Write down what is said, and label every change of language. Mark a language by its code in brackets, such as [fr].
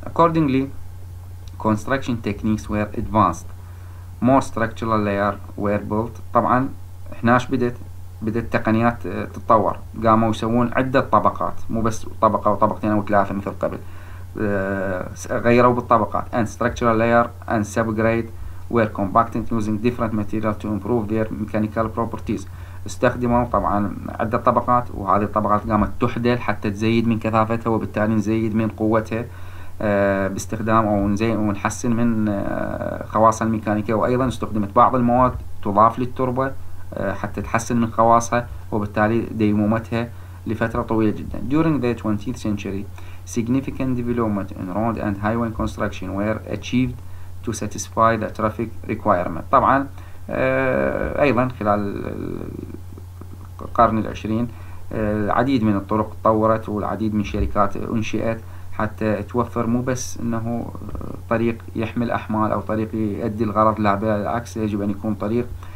[en] Accordingly, construction techniques were advanced. More structural layer were built. [ar] طبعا هناش بدت تقنيات تتطور، قاموا يسوون عدة طبقات، مو بس طبقة وطبقتين وثلاثة مثل قبل، غيروا بالطبقات. [en] And structural layer and subgrade were compacted using different materials to improve their mechanical properties. [ar] استخدموا طبعا عدة طبقات، وهذه الطبقات قامت تحدل حتى تزيد من كثافتها، وبالتالي نزيد من قوتها باستخدام، أو نزيد ونحسن من خواصها الميكانيكا. وأيضا استخدمت بعض المواد تضاف للتربة حتى تحسن من خواصها، وبالتالي ديمومتها لفترة طويلة جدا. [en] During the 20th century, significant development in road and highway construction were achieved to satisfy the traffic requirement. [ar] طبعا أيضا خلال القرن العشرين العديد من الطرق تطورت، والعديد من الشركات أنشئت حتى توفر مو بس أنه طريق يحمل أحمال أو طريق يؤدي الغرض، لا بالعكس، يجب أن يكون طريق